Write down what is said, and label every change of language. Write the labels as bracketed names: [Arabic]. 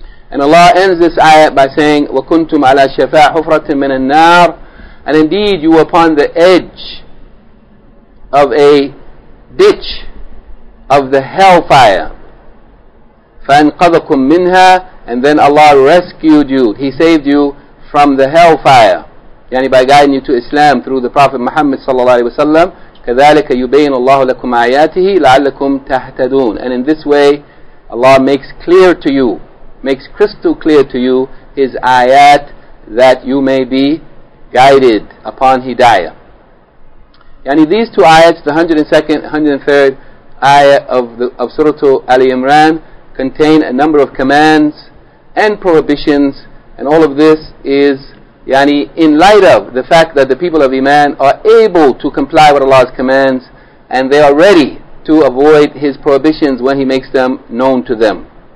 [English] And Allah ends this ayat by saying, [Arabic] وَكُنْتُمْ عَلَى شَفَاءَ حُفْرَةٍ مِنَ النَّارِ, [English] and indeed you were upon the edge of a ditch of the hellfire. [Arabic] فَأَنْقَذَكُمْ مِنْهَا, [English] and then Allah rescued you, He saved you from the hellfire, yani by guiding you to Islam through the Prophet Muhammad sallallahu alaihi wasallam. [Arabic] كَذَلِكَ يُبَيِّنُ اللَّهُ لَكُمْ آيَاتِهِ لَعَلَّكُمْ تَهْتَدُونَ, [English] and in this way Allah makes clear to you, makes crystal clear to you His ayat, that you may be guided upon hidayah. Yani these two ayats, the 102nd, 103rd ayah of Surah Ali Imran, contain a number of commands and prohibitions, and all of this is yani in light of the fact that the people of Iman are able to comply with Allah's commands, and they are ready to avoid His prohibitions when He makes them known to them.